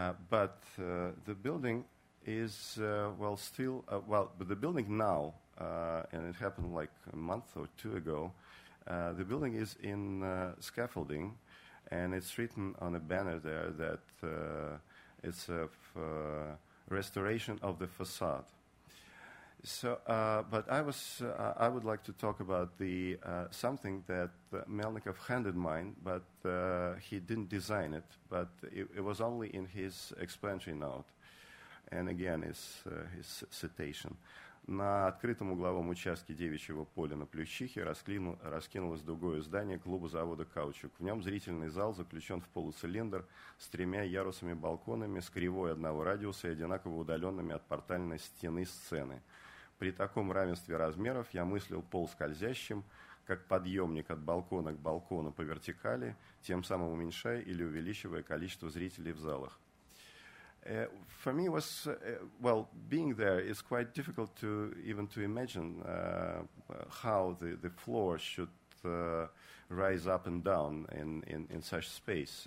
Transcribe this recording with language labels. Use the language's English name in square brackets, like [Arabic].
[English] But the building is, but the building now, and it happened like a month or two ago, the building is in scaffolding, and it's written on a banner there that it's a restoration of the facade. So, but I was, I would like to talk about the something that Melnikov had in mind, but he didn't design it, but it was only in his explanatory note. And again, his citation. [Russian] На открытом угловом участке девичьего поля на Плющихе раскинулось другое здание клуба завода «Каучук». В нем зрительный зал заключен в полуцилиндр с тремя ярусами балконами с кривой одного радиуса и одинаково удаленными от портальной стены сцены. При таком равенстве размеров я мыслил пол скользящим, как подъемник от балкона к балкону по вертикали, тем самым уменьшая или увеличивая количество зрителей в залах. [English] For me, was well, being there is quite difficult to even to imagine how the floor should rise up and down in such space.